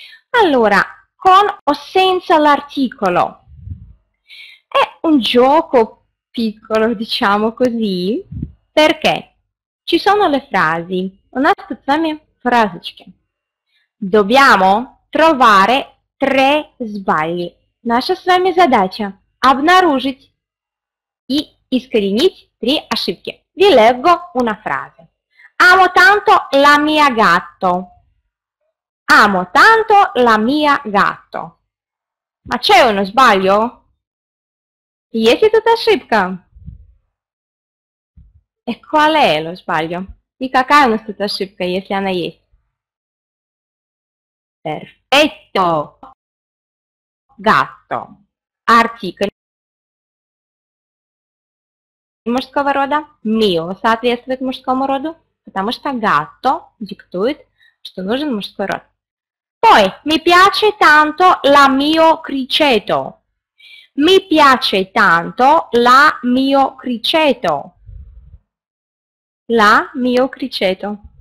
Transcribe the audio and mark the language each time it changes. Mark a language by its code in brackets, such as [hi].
[it] Allora, con o senza l'articolo? È un gioco piccolo, diciamo così, perché ci sono le frasi. Una frase. Dobbiamo trovare tre sbagli. [ru] Наша с вами задача обнаружить и искоренить три ошибки. [it] Vi leggo una frase. Amo tanto la mia gatto. Amo tanto la mia gatto. Ma c'è uno sbaglio? [ru] Есть тут ошибка. [it] E qual è lo sbaglio? [ru] И какая у нас тут ошибка, если она есть? [it] Perfetto. Gatto. Articolo. [ru] Мужского рода. Mio соответствует мужскому роду, потому что gatto диктует, что нужен мужской род. [it] Poi, mi piace tanto la mio criceto. Mi piace tanto la mio criceto. La mio criceto.